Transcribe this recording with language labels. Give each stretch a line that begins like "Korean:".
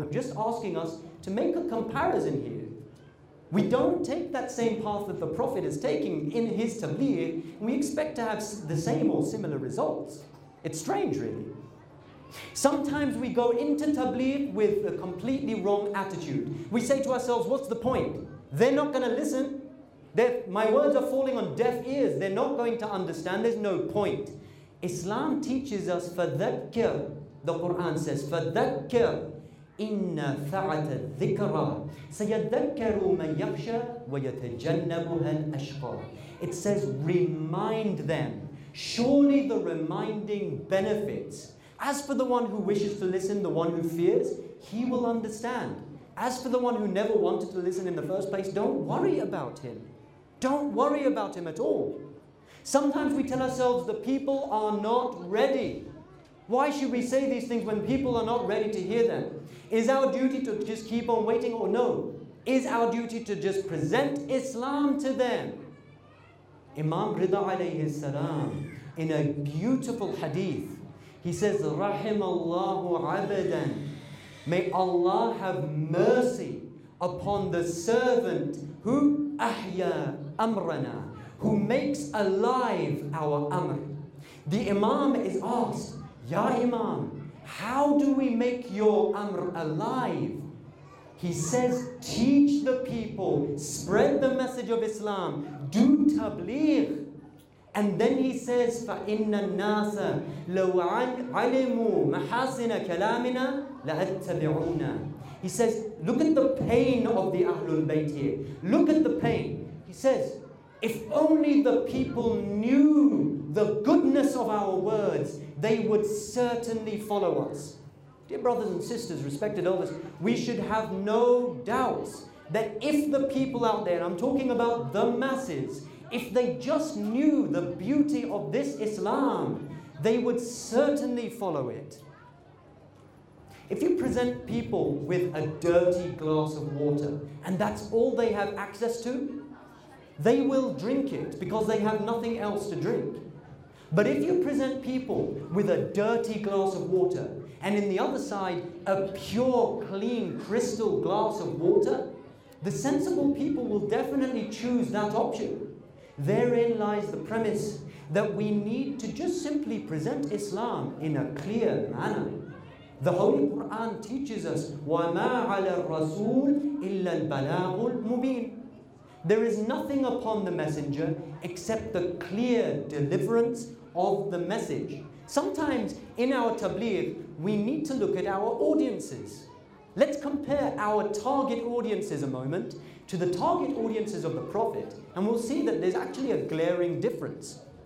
English: I'm just asking us to make a comparison here. We don't take that same path that the Prophet is taking in his tabligh, and we expect to have the same or similar results. It's strange, really. Sometimes we go into tabligh with a completely wrong attitude. We say to ourselves, what's the point? They're not going to listen. My words are falling on deaf ears. They're not going to understand. There's no point. Islam teaches us,
Arabic: فَذَكِّرْ,
English: the Quran says,
Arabic: فَذَكِّرْ إِنَّ فَعَتَ الذِّكْرَى سَيَذَكَّرُ مَنْ يَخْشَى وَيَتَجَنَّبُهَا الْأَشْقَى.
English: It says, remind them. Surely the reminding benefits. As for the one who wishes to listen, the one who fears, he will understand. As for the one who never wanted to listen in the first place, don't worry about him. Don't worry about him at all. Sometimes we tell ourselves the people are not ready. Why should we say these things when people are not ready to hear them? Is our duty to just keep on waiting or no? Is our duty to just present Islam to them? Imam Ridha alayhi salam, in a beautiful hadith, he says,
Arabic: Rahim Allahu abadan.
English: May Allah have mercy upon the servant who
Arabic: ahya amrana,
English: who makes alive our amr. The Imam is asked, Ya Imam, how do we make your amr alive? He says, teach the people, spread the message of Islam, do tabligh. And then he says,
Arabic: فَإِنَّ النَّاسَ لَوْ عَلِمُوا مَحَاسِنَ كَلَامِنَا لَأَتَّبِعُونَ.
English: He says, look at the pain of the Ahlul Bayt here. Look at the pain. He says, if only the people knew the goodness of our words, they would certainly follow us. Dear brothers and sisters, respected elders, we should have no doubts that if the people out there, and I'm talking about the masses, if they just knew the beauty of this Islam, they would certainly follow it. If you present people with a dirty glass of water, and that's all they have access to, they will drink it because they have nothing else to drink. But if you present people with a dirty glass of water, and in the other side, a pure, clean, crystal glass of water, the sensible people will definitely choose that option. Therein lies the premise that we need to just simply present Islam in a clear manner. The Holy Quran teaches us,
Arabic: وَمَا عَلَى الرَّسُولِ إِلَّا الْبَلَاغُ الْمُبِينَ.
English: There is nothing upon the messenger except the clear deliverance of the message. Sometimes in our tabligh, we need to look at our audiences. Let's compare our target audiences a moment to the target audiences of the Prophet, and we'll see that there's actually a glaring difference.